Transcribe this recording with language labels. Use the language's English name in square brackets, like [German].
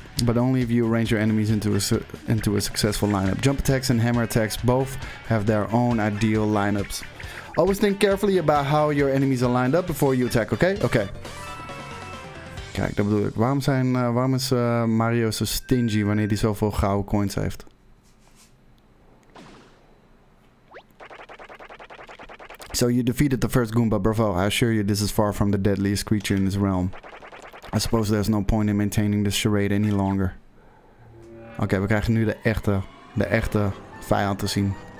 [English] But only if you arrange your enemies into a successful lineup. Jump attacks and hammer attacks both have their own ideal lineups. Always think carefully about how your enemies are lined up before you attack, okay? [Dutch] Okay. Kijk, dat bedoel ik. Waarom is Mario zo stingy wanneer hij zoveel gouden coins heeft? [English] So you defeated the first Goomba, bravo. I assure you this is far from the deadliest creature in this realm. I suppose there's no point in maintaining this charade any longer. [Dutch] Oké, we krijgen nu de echte vijand te zien.